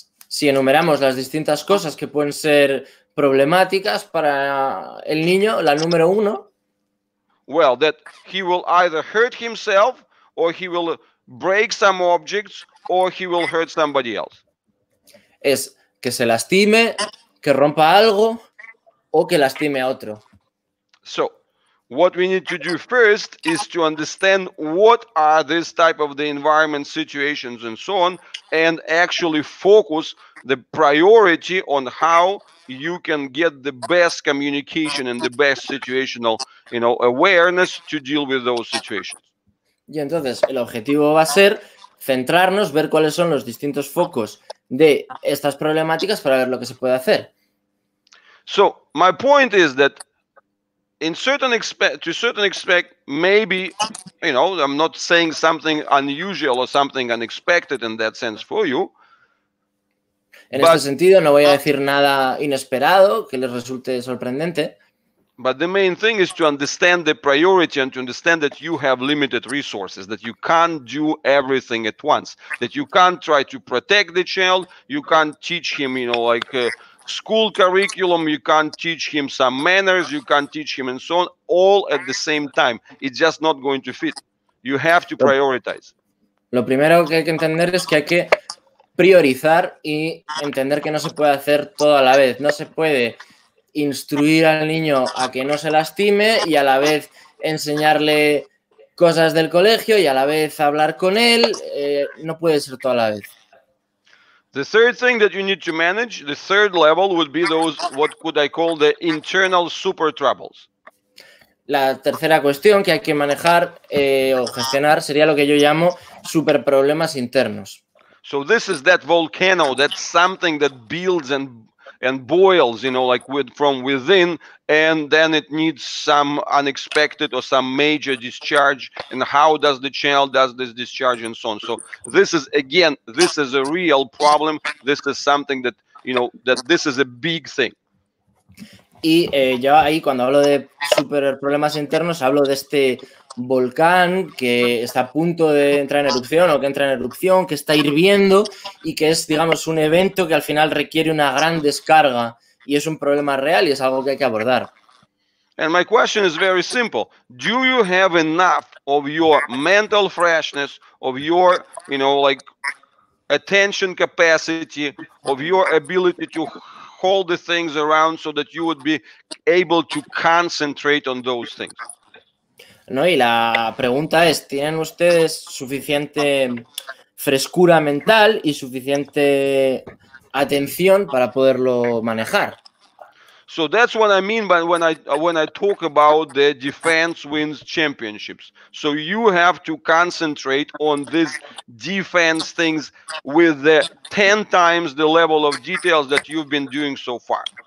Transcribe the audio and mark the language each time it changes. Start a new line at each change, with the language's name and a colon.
Spanish: Si enumeramos las distintas cosas que pueden ser problemáticas para el niño, la número uno.
English: Well, that he will either hurt himself, or he will break some objects, or he will hurt somebody else.
Spanish: Es que se lastime, que rompa algo, o que lastime a otro.
English: So, what we need to do first is to understand what are this type of the environment situations and so on, and actually focus the priority on how you can get the best communication and the best situational, you know, awareness to deal with those situations.
Spanish: Y entonces el objetivo va a ser centrarnos, ver cuáles son los distintos focos de estas problemáticas para ver lo que se puede hacer.
English: So my point is that to a certain extent, maybe, you know, I'm not saying something unusual or something unexpected in that sense for you.
Spanish: En este sentido, no voy a decir nada inesperado que les resulte sorprendente.
English: But the main thing is to understand the priority and to understand that you have limited resources, that you can't do everything at once, that you can't try to protect the child, you can't teach him, you know, like school curriculum, you can't teach him some manners, you can't teach him and so on, all at the same time. It's just not going to fit. You have to prioritize.
Spanish: Lo primero que hay que entender es que hay que priorizar y entender que no se puede hacer todo a la vez. No se puede instruir al niño a que no se lastime y a la vez enseñarle cosas del colegio y a la vez hablar con él. No puede ser todo a la vez.
English: The third thing that you need to manage, the third level would be those, what could I call the internal super troubles.
Spanish: La tercera cuestión que hay que manejar o gestionar sería lo que yo llamo super problemas internos.
English: So this is that volcano, that's something that builds and boils, you know, like with, from within, and then it needs some unexpected or some major discharge, and how does the child does this discharge and so on. So this is, again, this is a real problem. This is something that, you know, that this is a big thing.
Spanish: Y yo ahí, cuando hablo de super problemas internos, hablo de este volcán que está a punto de entrar en erupción o que entra en erupción, que está hirviendo y que es, digamos, un evento que al final requiere una gran descarga y es un problema real y es algo que hay que abordar.
English: And my question is very simple. Do you have enough of your mental freshness, of your, you know, like, attention capacity, of your ability to hold the things around so that you would be able to concentrate on those things?
Spanish: No, y la pregunta es, ¿tienen ustedes suficiente frescura mental y suficiente atención para poderlo manejar?
English: So that's what I mean by when I talk about the defense wins championships. So you have to concentrate on these defense things with the 10 times the level of details that you've been doing so far.